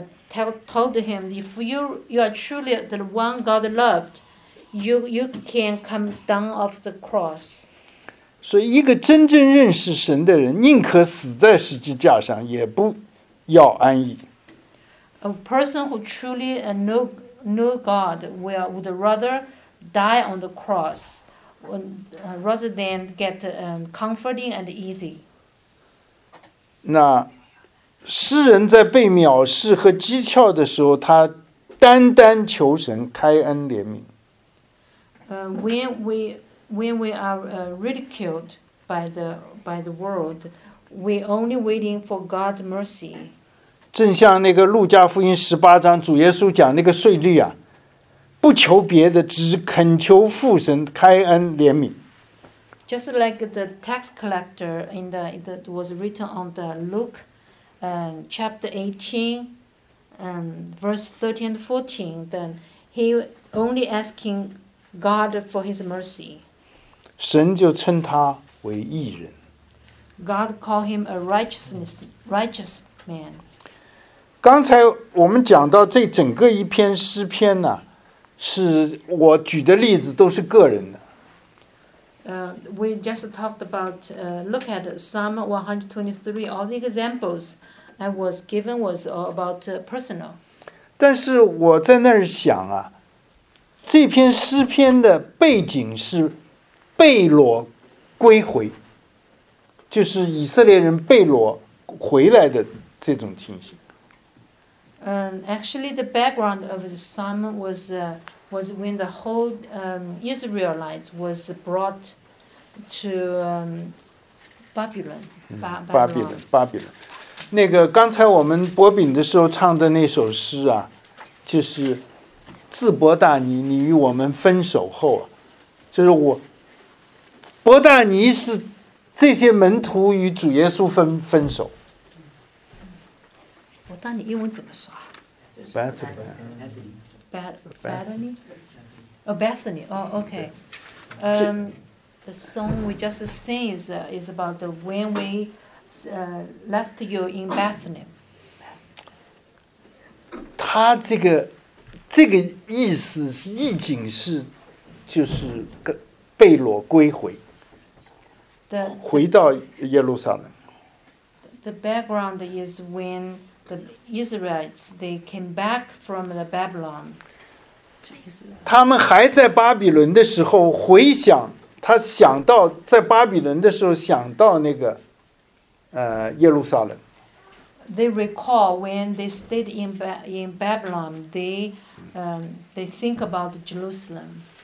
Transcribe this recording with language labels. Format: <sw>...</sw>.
<en>told him, if you are truly the one God loved, you can come down off the cross.</en> <zh>所以一个真正认识神的人宁可死在十字架上也不要安逸。</zh> <en>A person who truly know God would rather die on the cross rather than get comforting and easy.</en> <zh>那诗人在被藐视和讥诮的时候他单单求神开恩怜悯。</zh> <en>When we are ridiculed by the world, we only waiting for God's mercy.</en> <zh>正像那个路加福音十八章主耶稣讲那个税吏啊，不求别的，只恳求父神开恩怜悯。</zh> <en>Just like the tax collector in the that was written on the Luke, chapter 18, verse 13 and 14, then he only asking God for His mercy.</en> <zh>神就称他为义人。</zh> <en>God called him a righteous man.</en> <zh>刚才我们讲到这整个一篇诗篇呢，是我举的例子都是个人的。</zh> <en>We just talked about look at Psalm 123. All the examples I was given was all about personal.</en> <zh>但是我在那儿想啊，这篇诗篇的背景是。被掳归回，就是以色列人被掳回来的这种情形。</zh> <en>Actually, the background of the psalm was when the whole Israelite was brought to Babylon. Babylon.</en> <zh>那个刚才我们博饼的时候唱的那首诗啊，就是自伯大尼，你与我们分手后啊，就是我。伯大尼是这些门徒与主耶稣 分手。伯大尼英文怎么说</zh> <en>Bethany. Oh, okay. The song we just sing is about the when we left you in Bethany.</en> <zh>他这个意思是意境是就是被掳归回。回到耶路撒冷。</zh> <en>The background is when the Israelites they came back from the Babylon.</en> <zh>他们还在巴比伦的时候，回想他想到在巴比伦的时候想到那个，耶路撒冷。</zh> <en>They recall when they stayed in Babylon. They think about Jerusalem.</en>